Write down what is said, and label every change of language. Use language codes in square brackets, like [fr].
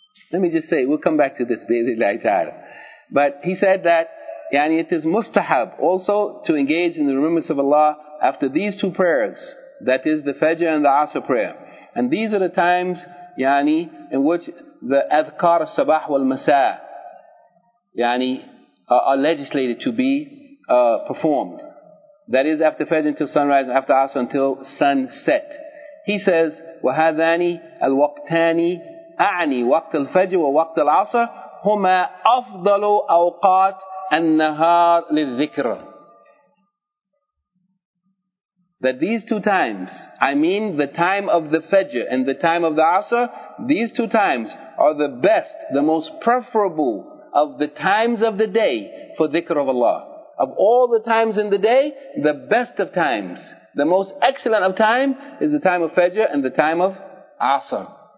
[en] Let me just say, we'll come back to this, bi'idhnillahi ta'ala. But he said that, yani, it is mustahab also to engage in the remembrance of Allah after these two prayers, that is the Fajr and the Asr prayer. And these are the times, yani, in which the adhkar sabah wal masa, yani, are legislated to be performed. That is after Fajr until sunrise, and after Asr until sunset. He says, [ar] وَهَذَانِ الْوَقْتَانِ أَعْنِي وَقْتَ الْفَجْرِ وَوَقْتَ الْعَصْرِ أحدهما أفضل أوقات النهار للذكر. [en] That these two times, I mean the time of the Fajr and the time of the Asr, these two times are the best, the most preferable of the times of the day for dhikr of Allah. Of all the times in the day, the best of times, the most excellent of time is the time of Fajr and the time of Asr.